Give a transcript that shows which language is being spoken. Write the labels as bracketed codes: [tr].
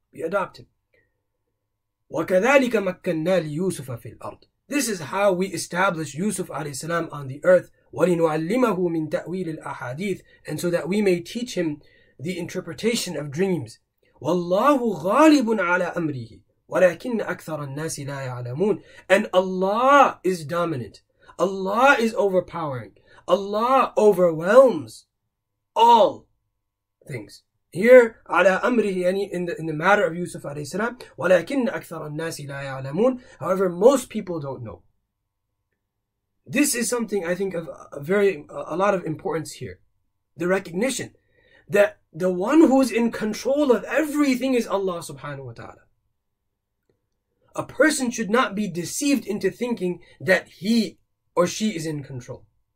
[en] We adopt him. [ar] وَكَذَلِكَ مَكَّنَّا لِيُوسُفَ فِي الْأَرْضِ. [en] This is how we establish Yusuf alayhi salam on the earth. [ar] وَلِنُعَلِّمَهُ مِن تَأْوِيلِ الْأَحَادِيثِ. [en] And so that we may teach him the interpretation of dreams. [ar] وَاللَّهُ غَالِبٌ عَلَىٰ أَمْرِهِ. ولكن أكثر الناس لا يعلمون. [en] And Allah is dominant. Allah is overpowering. Allah overwhelms all things. Here, [ar] على أمره, [en] in the matter of Yusuf [ar] عليه السلام, ولكن أكثر الناس لا يعلمون. [en] However, most people don't know. This is something I think of a lot of importance here. The recognition that the one who is in control of everything is Allah subhanahu wa ta'ala. a person should not be deceived into thinking that he or she is in control.